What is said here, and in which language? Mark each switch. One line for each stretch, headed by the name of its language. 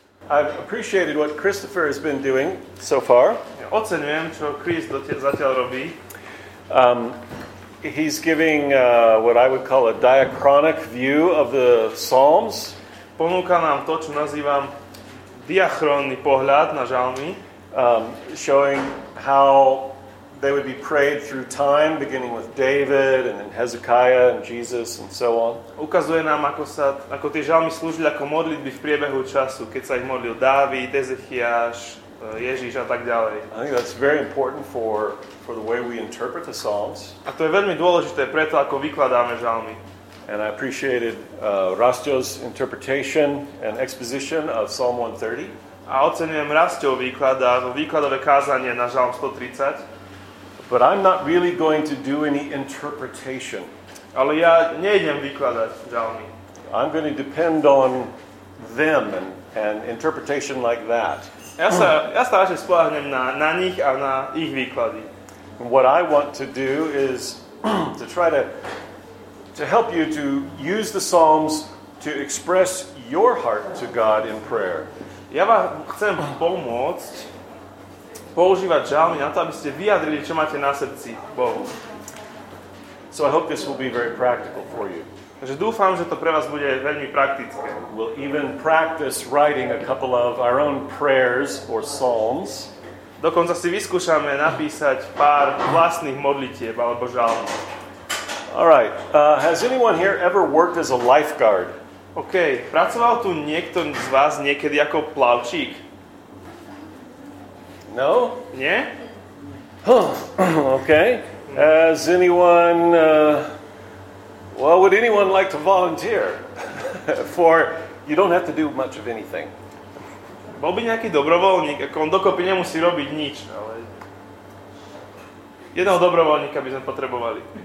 English: I've appreciated what Christopher has been doing so far.
Slovak: Oceňujem, čo Chris zatiaľ robí.
English: He's giving what I would call a diachronic view of the Psalms.
Slovak: Ponúka nám to, čo nazývam diachronný pohľad na žalmy.
English: Showing how they would be prayed through time, beginning with David and then Hezekiah and Jesus and so on.
Slovak: Ukazuje nám, ako tie žalmy slúžili ako modlitby v priebehu času, keď sa ich modlil Dávid, Ezechiáš, Ježíš a tak ďalej.
English: I think that's very important for the way we interpret the Psalms.
Slovak: A to je veľmi dôležité pre to, ako vykladáme žalmy.
English: And I appreciated Rastio's interpretation and exposition of Psalm 130.
Slovak: A oceňujem Rastiov výklad a výkladové kázanie na žalm 130.
English: But I'm not really going to do any interpretation.
Slovak: Ale ja nejdem vykladať žalmy.
English: I'm going to depend on them and interpretation like that.
Slovak: Ja sa radšej spoláhnem na nich a na ich výklady.
English: What I want to do is to try to help you to use the Psalms to express your heart to God in prayer.
Slovak: Ja vám chcem pomôcť používať žalmy na to, aby ste vyjadrili, čo máte na srdci Bohu.
English: So I hope this will be very practical for you.
Slovak: Takže dúfam, že to pre vás bude veľmi praktické.
English: We'll even practice writing a couple of our own prayers or psalms.
Slovak: Dokonca si vyskúšame napísať pár vlastných modlitieb alebo žalmy.
English: All right. Has anyone here ever worked as a lifeguard?
Slovak: OK. Pracoval tu niekto z vás niekedy ako plavčík?
English: No?
Slovak: Nie?
English: OK. Has anyone... would anyone like to volunteer? For you don't have to do much of anything.
Slovak: Bol by nejaký dobrovoľník, ako on dokopy nemusí robiť nič, ale... Jedného dobrovoľníka by sme potrebovali.